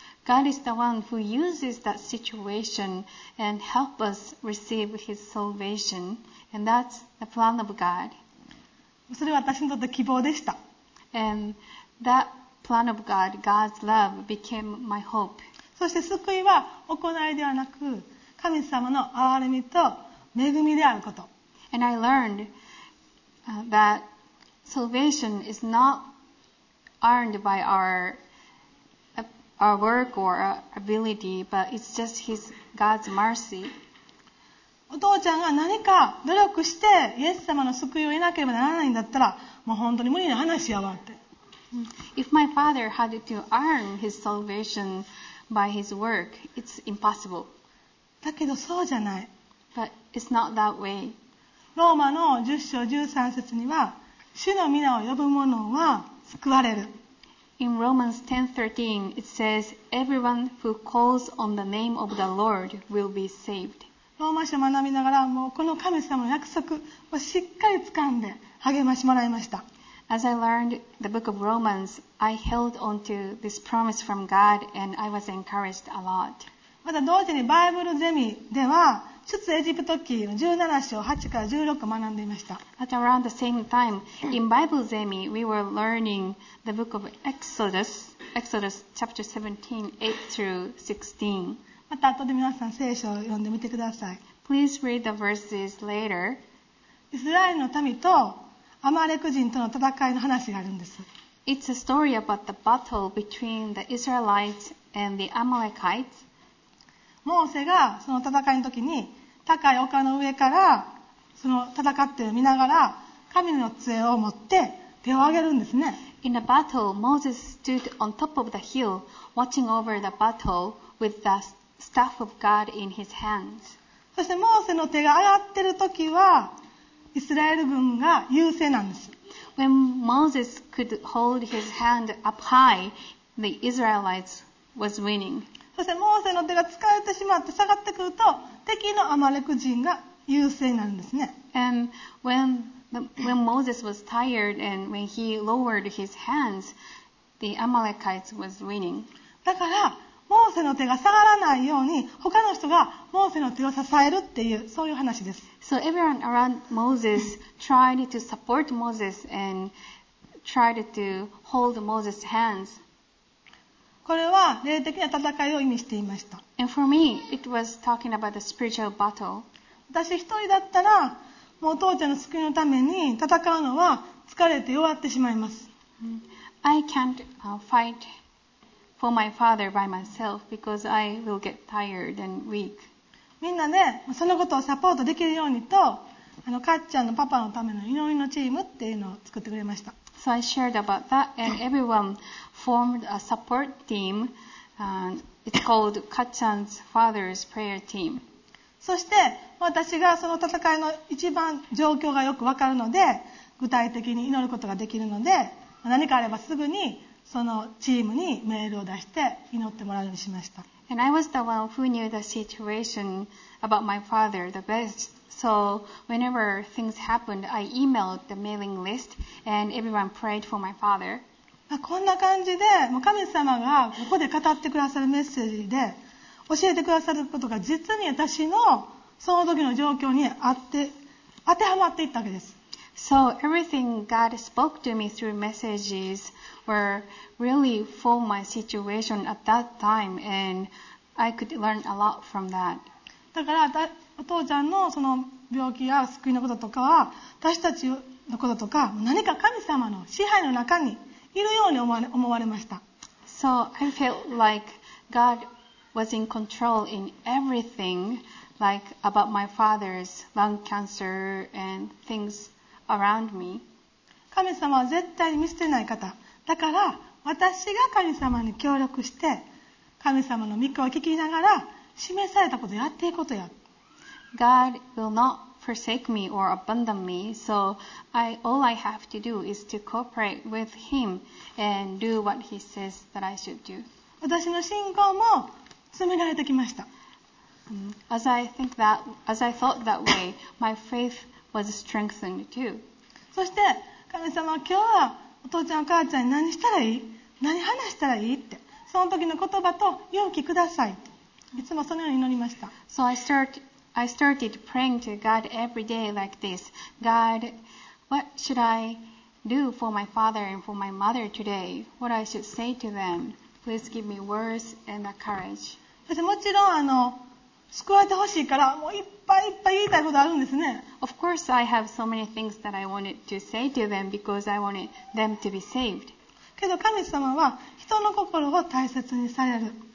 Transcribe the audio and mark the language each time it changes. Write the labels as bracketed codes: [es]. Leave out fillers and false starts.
[en] God is the one who uses that situation and help us receive His salvation, and that's the plan of God. [ja] それは私にとって希望でした。 [en] And that plan of God, God's love, became my hope. [ja] そして救いは行いではなく神様の憐れみと恵みであること。 [en] And I learned that salvation is not earned by our work or our ability, but it's just God's mercy. [ja] お父ちゃんが何か努力してイエス様の救いを得なければならないんだったら、もう本当に無理な話やわって。 [en] If my father had to earn his salvation,By his work, it's impossible. [ja] だけどそうじゃない。 [en] But it's not that way. [ja] ローマの10章13節には、主の名を呼ぶ者は救われる。 [en] In Romans 10:13, it says, Everyone who calls on the name of the Lord will be saved. [ja] ローマ書を学びながら、もうこの神様の約束をしっかり掴んで励ましもらいました。 [en] As I learned the book of Romans, I held on to this promise from God and I was encouraged a lot. [ja] また同時にバイブルゼミでは出エジプト記の17章8から16を学んでいました。 [en] At around the same time, in Bible Zemi, we were learning the book of Exodus chapter 17, 8 through 16. [ja] また後で皆さん聖書を読んでみてください。 [en] Please read the verses later. [ja] イスラエルの民とアマレク人との戦いの話があるんです。 [en] It's a story about the battle between the Israelites and the Amalekites. [ja] モーセがその戦いの時に高い丘の上からその戦っている見ながら神の杖を持って手を挙げるんですね。 [en] In a battle, Moses stood on top of the hill, watching over the battle with the staff of God in his hands. [ja] そしてモーセの手が上がってる時はイスラエル軍が優勢なんです。 [en] When Moses could hold his hand up high, the Israelites was winning. [ja] そしてモーセの手が疲れてしまって下がってくると、敵のアマレク人が優勢になるんですね。 [en] And when when Moses was tired and when he lowered his hands, the Amalekites was winning. [ja] だからモーセの手が下がらないように他の人がモーセの手を支えるっていうそういう話です。 [en] So everyone around Moses tried to support Moses and tried to hold Moses' hands. [ja] これは霊的な戦いを意味していました。 [en] And for me, it was talking about the spiritual battle. [ja] 私一人だったらもうお父ちゃんの救いのために戦うのは疲れて弱ってしまいます。 [en] I can't fight for my father by myself because I will get tired and weak. [ja] みんなね、そのことをサポートできるようにと、あのかっちゃんのパパのための祈りのチームっていうのを作ってくれました。 [en] So I shared about that and everyone formed a support team. It's called Katchan's Father's Prayer Team. [ja] そして、私がその戦いの一番状況がよくわかるので、具体的に祈ることができるので、何かあればすぐにそのチームにメールを出して祈ってもらうようにしました。 [en] And I was the one who knew the situation about my father the best. So whenever things happened, I emailed the mailing list and everyone prayed for my father. [ja] こんな感じで、もう神様がここで語ってくださるメッセージで教えてくださることが実に私のその時の状況に当てはまっていったわけです。 [en] So everything God spoke to me through messages were really for my situation at that time, and I could learn a lot from that. [ja] だから、お父ちゃんのその病気や救いのこととかは、私たちのこととか、何か神様の支配の中にいるように思われました。 [en] So I felt like God was in control in everything, like about my father's lung cancer and things. Around me. [ja] 神様は絶対に見捨てない方だから私が神様に協力して神様の御声を聞きながら示されたことをやっていくことや [en] God will not forsake me or abandon me so all I have to do is to cooperate with him and do what he says that I should do [ja] 私の信仰も詰められてきました [en] As I thought that way my faithWas strengthened too. [ja] そして神様は今日はお父ちゃんお母ちゃんに何したらいい何話したらいいってその時の言葉と勇気くださいいつもそのように祈りました [en] So I started praying to God every day like this God, what should I do for my father and for my mother today? What I should say to them? Please give me words and the courage [ja] そしてもちろん救われてほしいからもういっぱいいっぱい言いたいことあるんですね。 [en] Of course, I have so many things that I wanted to say to them because I wanted them to be saved. [ja] けど神様は人の心を大切にされる。